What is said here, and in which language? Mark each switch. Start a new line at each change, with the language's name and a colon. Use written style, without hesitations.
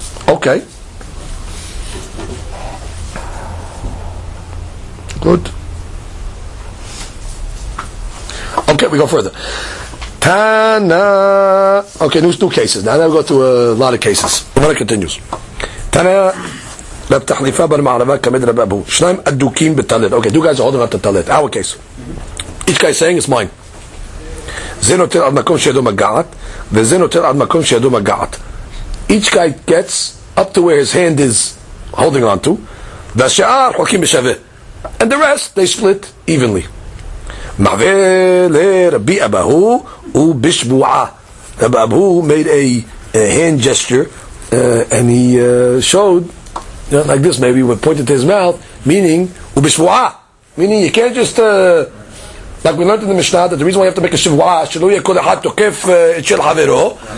English: Okay. Good. Okay, we go further. Tana. Okay, there's two cases. Now we go through a lot of cases. When it continues. Tana.
Hebrew: בתחליפה במערבה כמד רבה בו שניים אדוקים בתלת.
English: Okay, two guys are holding up the talet. Our case. Each guy is saying it's mine.
Hebrew: זה נותר עד מקום שידו מגעת וזה נותר עד מקום שידו מגעת.
English: Each guy gets up to where his hand is holding on to.
Hebrew: והשאר חוקים בשווה.
English: And the rest, they split evenly.
Hebrew: מעווה לרבי אבאו ובשבועה.
English: רבי אבאו made a hand gesture and he showed like this, maybe we pointed to his mouth, meaning ubishvua, meaning you can't just like we learned in the Mishnah that the reason why you have to make a shivua shaluya kodahat tokef etchil havero.